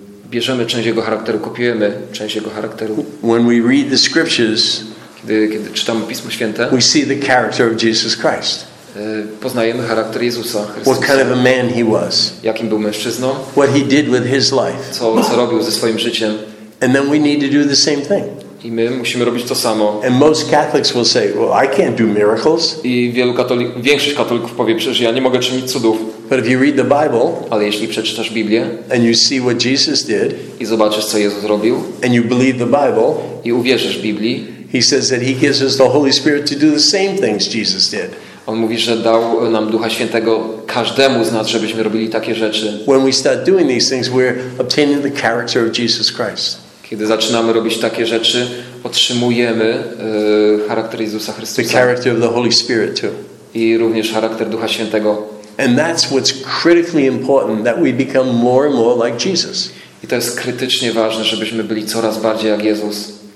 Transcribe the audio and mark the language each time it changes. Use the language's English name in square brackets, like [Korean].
[Polish] bierzemy część jego charakteru, kopiujemy część jego charakteru. [English] When we read the scriptures, [Polish] kiedy czytamy Pismo Święte, [English] we see the character of Jesus Christ. [Polish] Poznajemy charakter Jezusa Chrystusa. [English] What kind of a man he was. [Polish] Jakim był mężczyzną? [English] What he did with his life. [Polish] Co robił ze swoim życiem? [English] And then we need to do the same thing. [Polish] I my musimy robić to samo. [English] And most Catholics will say, well, I can't do miracles. [Polish] I wielu większość katolików powie, że ja nie mogę czynić cudów. [English] But if you read the Bible, [Polish] ale jeśli przeczytasz Biblię, [English] and you see what Jesus did, [Polish] i zobaczysz co Jezus robił, [English] and you believe the Bible, [Polish] i uwierzysz w Biblii, [English] he says that he gives us the Holy Spirit to do the same things Jesus did. [Polish] On mówi, że dał nam Ducha Świętego każdemu z nas, żebyśmy robili takie rzeczy. [English] When we start doing these things, we're obtaining the character of Jesus Christ. [Polish] Kiedy zaczynamy robić takie rzeczy, otrzymujemy charakter Jezusa Chrystusa. [English] The character of the Holy Spirit too. [Polish] I również charakter Ducha Świętego. [English] And that's what's critically important, that we become more and more like Jesus. [Polish] I to jest krytycznie ważne, żebyśmy byli coraz bardziej jak Jezus.